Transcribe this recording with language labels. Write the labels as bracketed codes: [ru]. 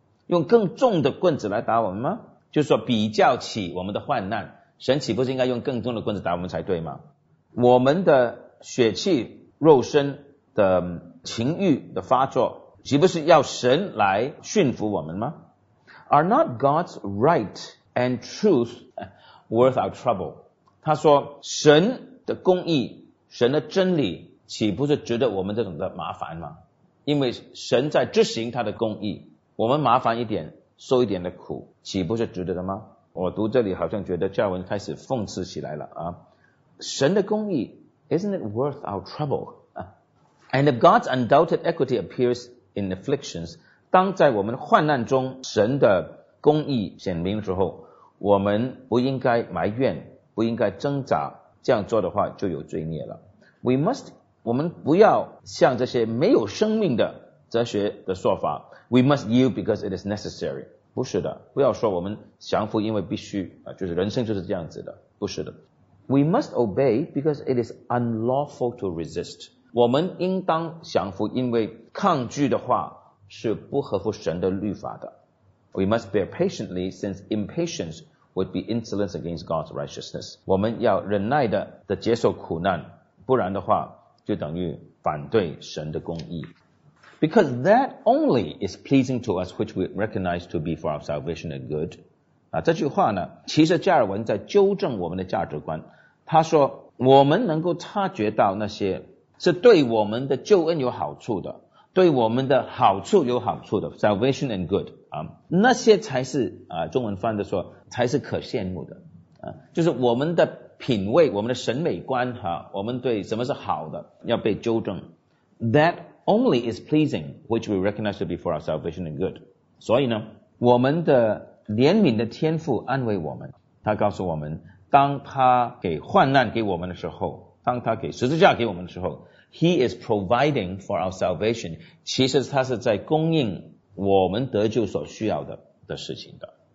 [zh] 用更重的棍子来打我们吗？就是说比较起我们的患难，神岂不是应该用更重的棍子打我们才对吗？我们的血气肉身的情欲的发作，岂不是要神来驯服我们吗？ [en] Are not God's right and truth worth our trouble? [zh] 他说神的公义、神的真理岂不是值得我们这种的麻烦吗？因为神在执行他的公义，我们麻烦一点，受一点的苦，岂不是值得的吗？我读这里好像觉得加尔文开始讽刺起来了啊！神的公义 [en] ，isn't it worth our trouble？ And if God's undoubted equity appears in afflictions， [zh] 当在我们患难中神的公义显明的时候，我们不应该埋怨，不应该挣扎，这样做的话就有罪孽了。我们不要像这些没有生命的哲学的说法 ， [en] We must yield because it is necessary。 [zh] 不是的，不要说我们降服因为必须啊，就是人生就是这样子的，不是的。 [en] We must obey because it is unlawful to resist。 [zh] 我们应当降服，因为抗拒的话是不合乎神的律法的。 [en] We must bear patiently since impatience would be insolence against God's righteousness。 [zh] 我们要忍耐的接受苦难，不然的话就等于反对神的公义。 [en] Because that only is pleasing to us which we recognize to be for our salvation and good。 [zh] 这句话呢，其实加尔文在纠正我们的价值观。他说，我们能够察觉到那些是对我们的救恩有好处的，对我们的好处有好处的 [en] salvation and good， [zh] 那些才是中文翻的说才是可羡慕的，就是我们的品味，我们的审美观我们对什么是好的要被纠正。 [en] That only is pleasing which we recognize to be for our salvation and good。 [zh] 所以呢，我们的怜悯的天父安慰我们，他告诉我们，当他给患难给我们的时候，当他给十字架给我们的时候， [en] He is providing for our salvation， [zh] 其实他是在供应我们得救所需要的事情的。